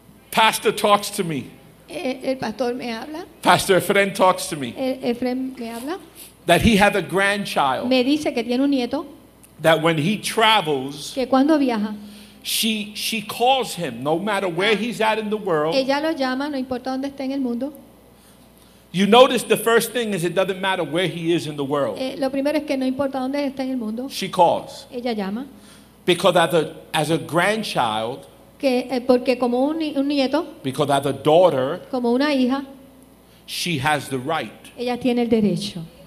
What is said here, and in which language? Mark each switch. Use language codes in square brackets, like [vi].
[en] Pastor talks to me. [es] El pastor me habla. [en] Pastor Efren talks to me. [es] Efren me habla. [en] That he had a grandchild. [es] Me dice que tiene un nieto. [en] That when he travels, [es] que cuando viaja, [en] she calls him, no matter where he's at in the world. [es] Ella lo llama, no importa dónde esté en el mundo. [en] You notice the first thing is it doesn't matter where he is in the world. [es] Lo primero es que no importa dónde esté en el mundo. [en] She calls. [es] Ella llama. [en] Because as a grandchild, [es] que porque como un nieto, [en] because as a daughter, [es] como una hija, [en] she has the right. [es] Ella tiene el derecho.